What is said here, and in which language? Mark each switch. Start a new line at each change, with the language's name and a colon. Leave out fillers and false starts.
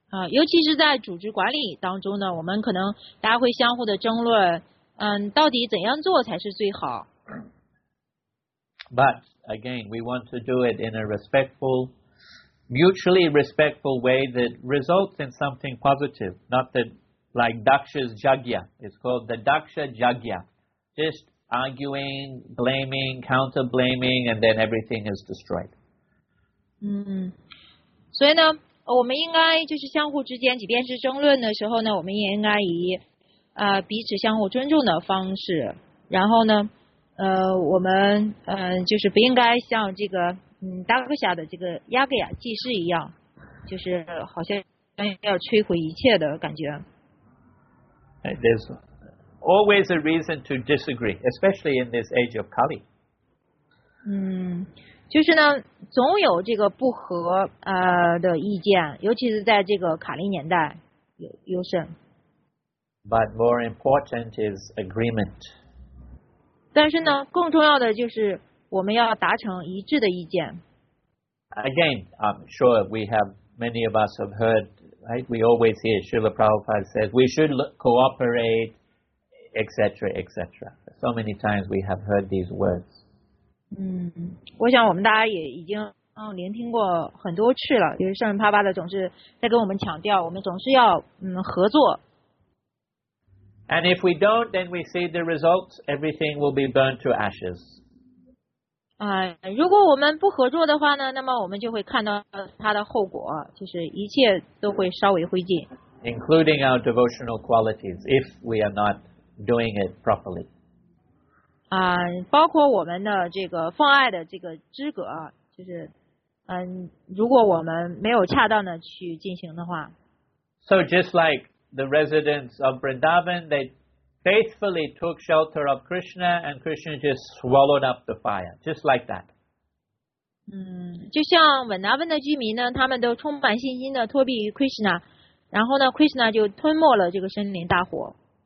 Chinese: 尤其是在组织管理当中呢，我们可能大家会相互的争论，到底怎样做才是最好。
English: But again, we want to do it in a respectful, mutually respectful way that results in something positive, not that like Daksha's Jagya. It's called the Daksha Jagya. Just arguing, blaming, counter-blaming, and then everything is destroyed.
Chinese: 所以呢，我们应该就是相互之间，即便是争论的时候呢，我们也应该以彼此相互尊重的方式，然后呢，我们就是不应该像这个达克夏的这个亚格亚祭师一样，就是好像要摧毁一切的感觉。
English: There's always a reason to disagree, especially in this age of Kali.
Chinese: 就是呢，总有这个不合的意见，尤其是在这个卡利年代优胜。
English: But more important is agreement.
Chinese: 但是呢，更重要的就是我们要达成一致的意见。
English: Again, I'm sure we have many of us have heard, right? We always hear Srila Prabhupada says we should cooperate, etc., etc. So many times we have heard these words.
Chinese: 我想我们大家也已经聆听过很多次了，就是圣人帕巴的总是在跟我们强调，我们总是要合作。
English: And if we don't, then we see the results. Everything will be burned to ashes.
Chinese: 如果我们不合作的话呢，那么我们就会看到它的后果，就是一切都会烧为灰烬。
English: Including our devotional qualities, if we are not doing it properly.
Chinese: 包括我们的这个奉爱的这个资格，就是如果我们没有恰当的去进行的话。
English: So just like the residents of Vrindavan, they faithfully took shelter of Krishna, and Krishna just swallowed up the fire, just like that.
Chinese: 就像文达文的居民呢，他们都充满信心的托庇于 Krishna， 然后呢 ，Krishna 就吞没了这个森林大火。